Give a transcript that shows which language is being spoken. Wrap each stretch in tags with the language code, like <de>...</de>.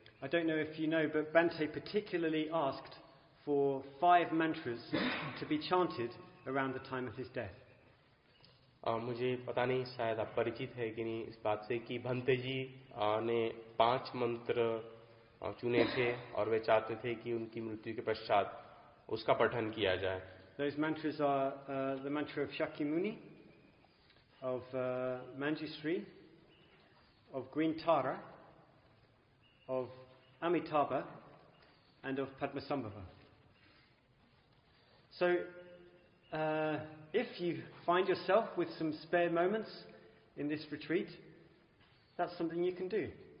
<en>I don't know if you know, but Bhante particularly asked for 5 mantras to be chanted around the time of his death.</en> <hi>मुझे पता नहीं, शायद आप परिचित है कि नहीं इस बात से कि भंते जी ने 5 मंत्र चुने थे और वे चाहते थे कि उनकी मृत्यु के पश्चात उसका पठन किया जाए.</hi> <en>Those mantras are the mantra of Shakyamuni, of Manjushri, of Green Tara, of Amitabha, and of Padmasambhava. So, if you find yourself with some spare moments in this retreat, that's something you can do.</en>